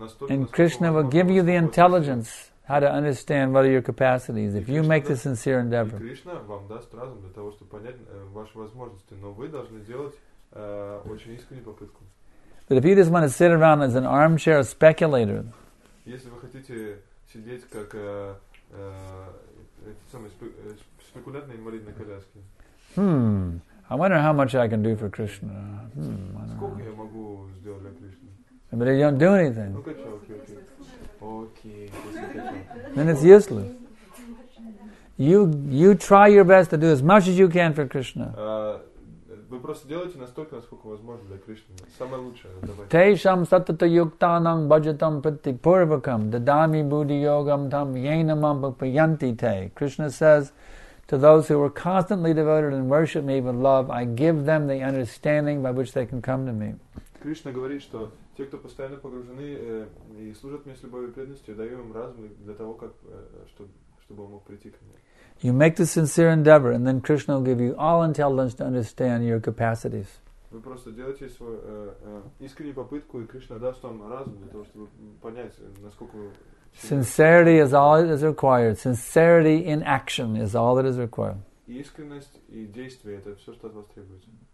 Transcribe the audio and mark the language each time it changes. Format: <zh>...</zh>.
<en>And Krishna will give you the intelligence how to understand what are your capacities if you make the sincere endeavor.</en> <ru>Krishna вам даст разум для того, чтобы понять ваши возможности, но вы должны сделать очень искреннюю попытку.</ru> <en>But if you just want to sit around as an armchair speculator,</en> <ru>если вы хотите сидеть как эти самые спекулянтные инвалиды на коляске.</ru> <en>I wonder how much I can do for Krishna.</en> <ru>Сколько я могу сделать для Кришны?</ru> <en>But you don't do anything. Okay. Then it's useless. You try your best to do as much as you can for Krishna.</en> <ru>Вы просто делаете настолько, насколько возможно для Кришны. Самое лучшее.</ru> <sa>Тейшам саттата юктанам баджатам притти пурвакам дадами будди йогам там йенамам бхапьянти те.</sa> <en>Krishna says, to those who are constantly devoted and worship me with love, I give them the understanding by which they can come to me.</en> <ru>Кришна говорит, что те, кто постоянно погружены и служат мне с любовью и преданностью, даю им разум для того, как, чтобы он мог прийти ко мне.</ru> <en>You make the sincere endeavor, and then Krishna will give you all intelligence to understand your capacities.</en> <ru>Вы просто делаете свою искреннюю попытку, и Кришна даст вам разум для того, чтобы понять, насколько.</ru> <en>Sincerity is all that is required. Sincerity in action is all that is required.</en> <ru>Искренность и действие — это все, что от вас требуется.</ru>